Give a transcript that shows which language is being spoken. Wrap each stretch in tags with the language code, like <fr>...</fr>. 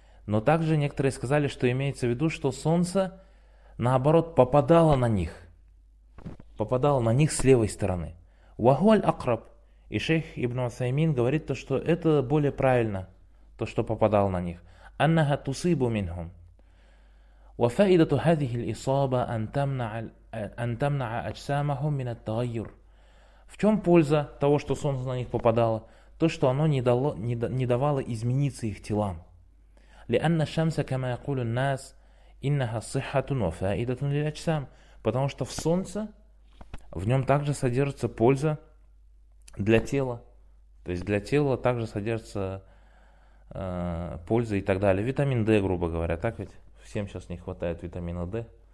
<ru>Но также некоторые сказали, что имеется в виду, что солнце, наоборот, попадало на них. Попадало на них с левой стороны.</ru> <ar>«Вахуаль акраб».</ar> <ru>И шейх Ибн Усаймин говорит, то, что это более правильно, то, что попадало на них.</ru> <ar>«Аннаха тусыбу минхум». وفائدة هذه الإصابة أن تمنع أجسامهم من التغير.</ar> <ru>В чем польза того, что солнце на них попадало? То, что оно не давало измениться их телам.</ru> <ar>لأن الشمس كما يقول الناس إنها صحة وفائدة للأجسام.</ar> <ru>Потому что в солнце, в нем также содержится польза для тела. То есть для тела также содержится польза и так далее. Витамин D, грубо говоря, так ведь? Всем сейчас не хватает витамина D.</ru>